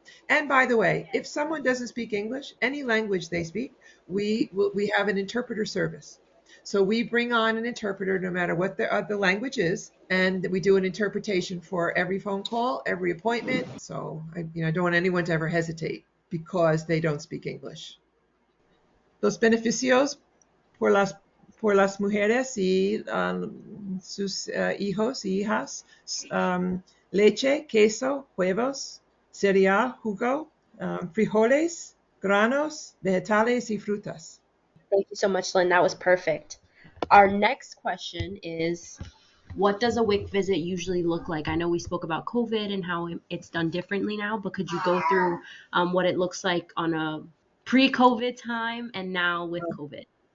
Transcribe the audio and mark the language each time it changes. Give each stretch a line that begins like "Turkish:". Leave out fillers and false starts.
English: And by the way, if someone doesn't speak English, any language they speak, we have an interpreter service. So we bring on an interpreter no matter what the language is, and we do an interpretation for every phone call, every appointment. So I don't want anyone to ever hesitate because they don't speak English.
Spanish: Los beneficios por las mujeres y sus hijos y hijas, leche, queso, huevos, cereal, jugo, frijoles, granos, vegetales y frutas.
English: Thank you so much, Lynn. That was perfect. Our next question is, what does a WIC visit usually look like? I know we spoke about COVID and how it's done differently now, but could you go through what it looks like on a pre-COVID time and now with COVID?